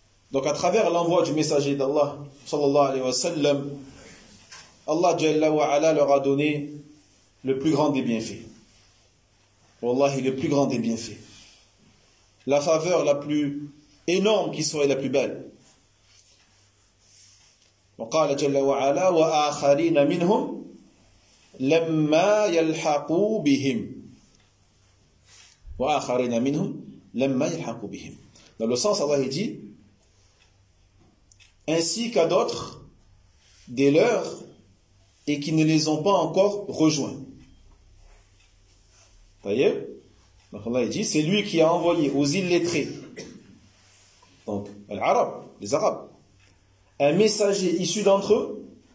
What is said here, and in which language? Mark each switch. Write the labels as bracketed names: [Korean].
[French] Donc à travers l'envoi du messager d'Allah, sallallahu alayhi wa sallam, Allah jalla wa ala leur a donné le plus grand des bienfaits. Wallahi, le plus grand des bienfaits. La faveur la plus énorme qui soit et la plus belle. [Arabic] وقال جل وعلا وآخرين منهم لما يلحقوا بهم وآخرين منهم لما يلحقوا بهم. [French] Dans le sens, Allah dit ainsi qu'à d'autres des leurs et qui ne les ont pas encore rejoints. Voyez. Donc Allah dit, c'est lui qui a envoyé aux illettrés, donc les Arabes, un messager issu d'entre eux,